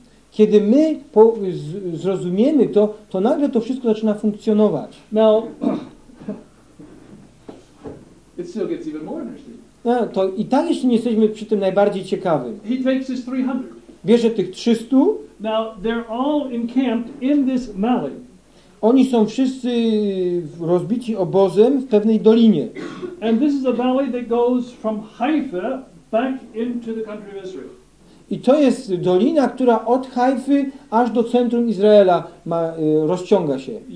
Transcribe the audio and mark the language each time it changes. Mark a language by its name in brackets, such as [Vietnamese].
[Polish] Kiedy my zrozumiemy to, to nagle to wszystko zaczyna funkcjonować. [English] Now, it still gets even more interesting. [Polish] No, to i tak jeszcze nie jesteśmy przy tym najbardziej ciekawi. [English] He takes his 300. [Polish] Bierze tych 300. [English] Now, they're all encamped in this valley. [Polish] Oni są wszyscy rozbici obozem w pewnej dolinie. [English] And this is a valley that goes from Haifa back into the country of Israel. [Polish] I to jest dolina, która od Hajfy aż do centrum Izraela ma, rozciąga się.